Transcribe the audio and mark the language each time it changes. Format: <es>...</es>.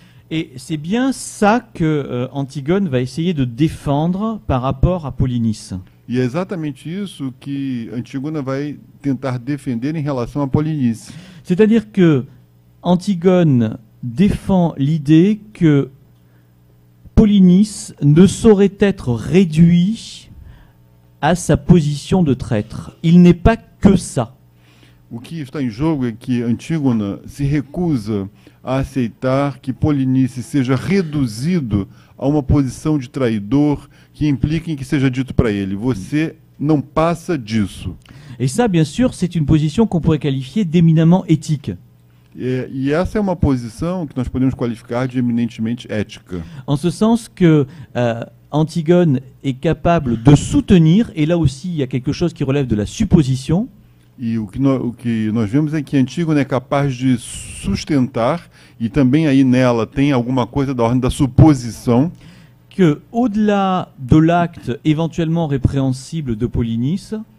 <fr>Et c'est bien ça que Antigone va essayer de défendre par rapport à Polynice.</fr> <pt>E é exatamente isso que Antígona vai tentar defender em relação a Polynice.</pt> <fr>C'est-à-dire que Antigone défend l'idée que Polynice ne saurait être réduit à sa position de traître. Il n'est pas que ça.</fr> <pt>O que está em jogo é que Antígona se recusa a aceitar que Polynice seja reduzido a uma posição de traidor que implique em que seja dito para ele, você não passa disso.</pt> <fr>Et ça, bien sûr, c'est une position qu'on pourrait qualifier d'éminemment éthique.</fr> <pt>E essa é uma posição que nós podemos qualificar de eminentemente ética.</pt> <fr>En ce sens que Antigone est capable de soutenir, et là aussi il y a quelque chose qui relève de la supposition.</fr> <pt>E o que nós vemos é que Antigone é capaz de sustentar, e também aí nela tem alguma coisa da ordem da suposição,</pt> <fr>que au-delà de l'acte éventuellement répréhensible de Polynice,</fr>